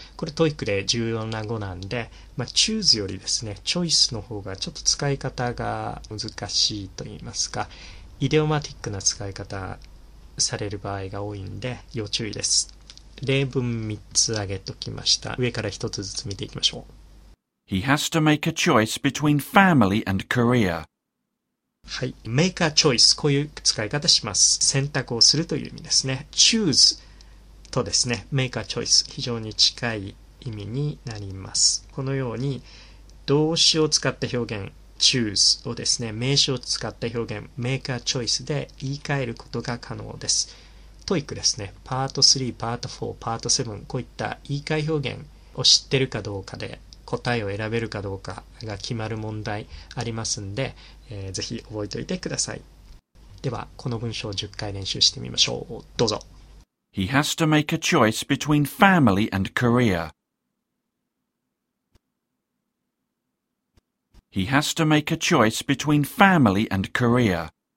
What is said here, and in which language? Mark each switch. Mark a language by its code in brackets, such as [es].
[ja] これ TOEIC で重要な語なんで、まあ、choose よりですね、choice の方がちょっと使い方が難しいと言いますか、イデオマティックな使い方される場合が多いんで要注意です。例文3つ挙げときました。上から1つずつ見ていきましょう。 [en] He has to make a choice between family and career. [ja] はい、メイカーチョイス、こういう使い方します。選択をするという意味ですね。チューズとですね、メイカーチョイス、非常に近い意味になります。このように動詞を使った表現、choose をですね、名詞を使った表現、make a choice で言い換えることが可能です。 TOEIC ですね、パート3、パート4、パート7、こういった言い換え表現を知ってるかどうかで答えを選べるかどうかが決まる問題ありますんで、ぜひ覚えておいてください。では、この文章を10回練習してみましょう。どうぞ。 [en] He has to make a choice between family and career. He has to make a choice between family and career.